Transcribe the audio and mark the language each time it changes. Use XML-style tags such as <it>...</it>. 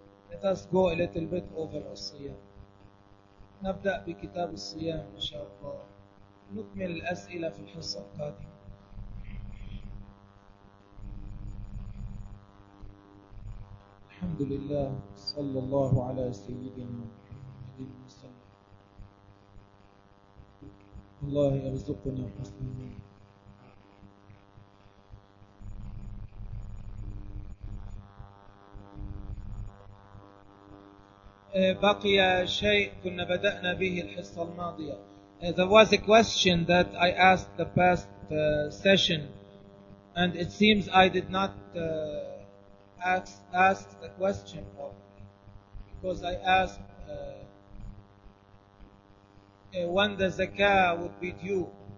<en>Let us go a little bit over الصيام.</en> <ar>نبدأ بكتاب الصيام إن شاء الله. نكمل الأسئلة في الحصة القادمة. الحمد لله، صلى الله على سيدنا محمد المصطفى. الله يرزقنا حسن النية. بقي شيء كنا بدأنا به الحصة الماضية.</ar> <en>There was a question that I asked the past session, and it seems I did not ask the question properly, because I asked when the zakah would be due.</en>